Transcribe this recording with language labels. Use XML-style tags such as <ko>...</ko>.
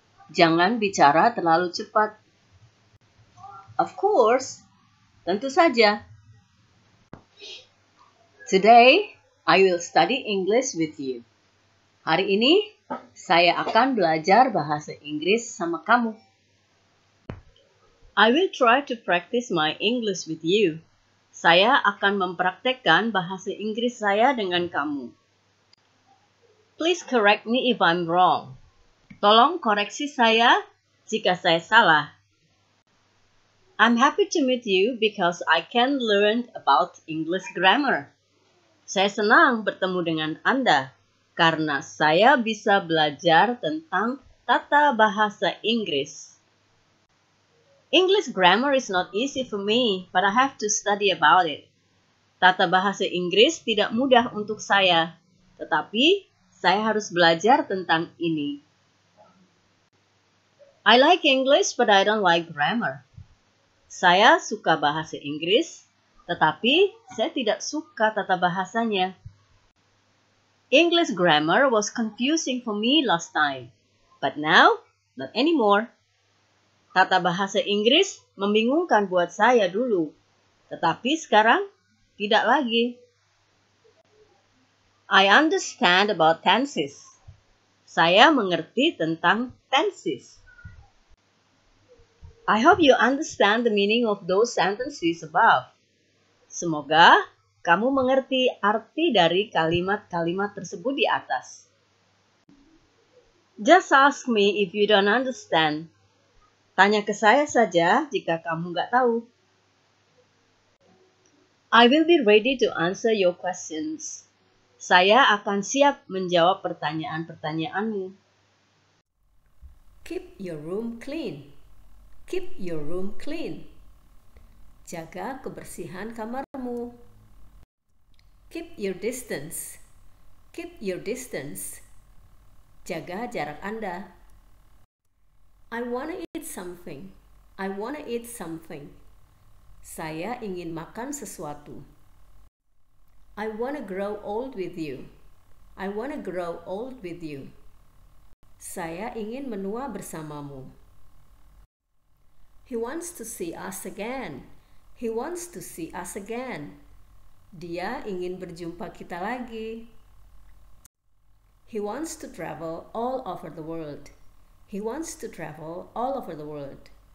<id>Jangan bicara terlalu cepat.</id> <en>Of course.</en> <id>Tentu saja.</id> <en>Today, I will study English with you.</en> <id>Hari ini, saya akan belajar bahasa Inggris sama kamu.</id> <en>I will try to practice my English with you.</en> <id>Saya akan mempraktikkan bahasa Inggris saya dengan kamu.</id> <en>Please correct me if I'm wrong.</en> <id>Tolong koreksi saya jika saya salah.</id> <en>I'm happy to meet you because I can learn about English grammar.</en> <id>Saya senang bertemu dengan Anda karena saya bisa belajar tentang tata bahasa Inggris.</id> <en>English grammar is not easy for me, but I have to study about it.</en> <id>Tata bahasa Inggris tidak mudah untuk saya, tetapi saya harus belajar tentang ini.</id> <en>I like English, but I don't like grammar.</en> <id>Saya suka bahasa Inggris, tetapi saya tidak suka tata bahasanya.</id> <en>English grammar was confusing for me last time, but now not anymore.</en> <id>Tata bahasa Inggris membingungkan buat saya dulu, tetapi sekarang tidak lagi.</id> <en>I understand about tenses.</en> <id>Saya mengerti tentang tenses.</id> <en>I hope you understand the meaning of those sentences above.</en> <id>Semoga kamu mengerti arti dari kalimat-kalimat tersebut di atas.</id> <en>Just ask me if you don't understand.</en> <id>Tanya ke saya saja jika kamu nggak tahu.</id> <en>I will be ready to answer your questions.</en> <id>Saya akan siap menjawab pertanyaan-pertanyaanmu.</id> <en>Keep your room clean. Keep your room clean.</en> <id>Jaga kebersihan kamarmu.</id> <en>Keep your distance. Keep your distance.</en> <id>Jaga jarak Anda.</id> <en>I wanna eat something. I wanna eat something.</en> <id>Saya ingin makan sesuatu.</id> <en>I wanna grow old with you. I wanna grow old with you.</en> <id>Saya ingin menua bersamamu.</id> <en>He wants to see us again. He wants to see us again.</en> <id>Dia ingin berjumpa kita lagi.</id> <en>He wants to travel all over the world. He wants to travel all over the world.</en>